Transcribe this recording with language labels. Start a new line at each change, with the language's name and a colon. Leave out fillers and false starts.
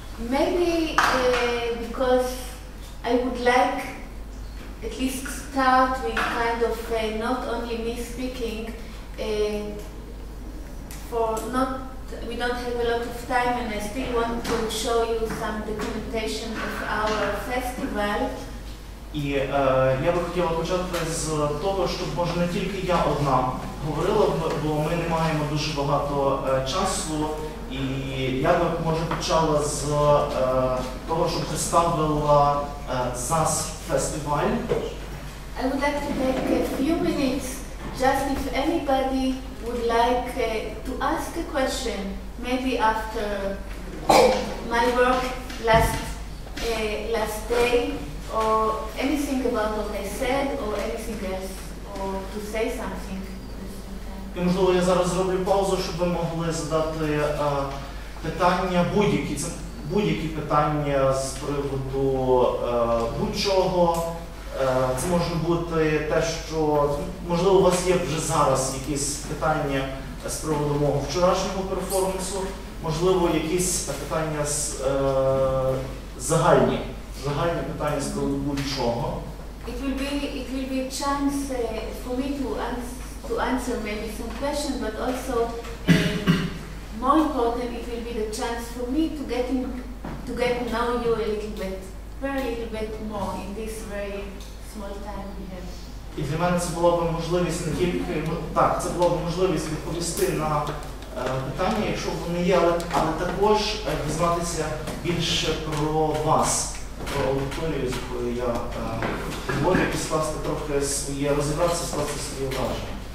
English: Maybe because I would like at least start with kind of not only me speaking, we don't have a lot of time and I still want to show you some documentation of our festival.
Ukrainian: І я би хотіла почати з того, щоб може не тільки я одна говорила, бо ми не маємо дуже багато часу. І я би може почала з того, щоб представила ЗАЗ фестиваль.
English: I would like to take a few minutes just if anybody would like to ask a question, maybe after my work last day, or anything about what I said, or anything else, or to say something.
Ukrainian: І, можливо, я зараз зроблю паузу, щоб ви могли задати питання, будь-які питання з приводу будь-чого. Це може бути те, що, можливо, у вас є вже зараз якісь питання з приводу мого вчорашнього перформансу, можливо, якісь питання з загальні питання з приводу будь-чого.
English: It will be a chance for me to answer maybe some questions, but also more important, it will be the chance for me to get to know you a little bit, very little bit more in this very small time we have.
Ukrainian: І для мене це була б можливість не тільки, так, це була б можливість відповісти на питання, якщо вони є, але також дізнатися більше про вас, про аудиторію, з якою я говорю, і скласти трохи своє, розібратися, скласти своє враження.